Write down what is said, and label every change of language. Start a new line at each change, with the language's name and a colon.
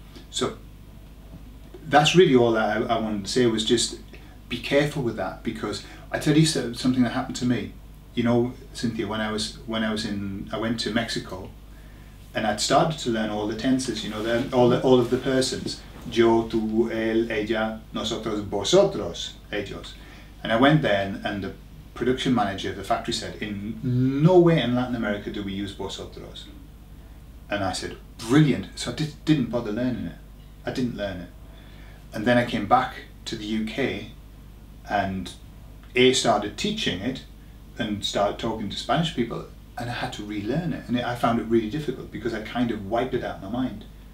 English: So that's really all that I wanted to say, was just be careful with that, because I tell you something that happened to me. You know, Cynthia, when I went to Mexico, and I'd started to learn all the tenses, you know, all of the persons.
Spanish: Yo, tú, él, ella, nosotros, vosotros, ellos.
English: And I went then, and the production manager of the factory said, in no way in Latin America do we use vosotros. And I said, brilliant. So I didn't bother learning it. I didn't learn it. And then I came back to the UK, and A, started teaching it, and started talking to Spanish people, and I had to relearn it. And I found it really difficult, because I kind of wiped it out of my mind.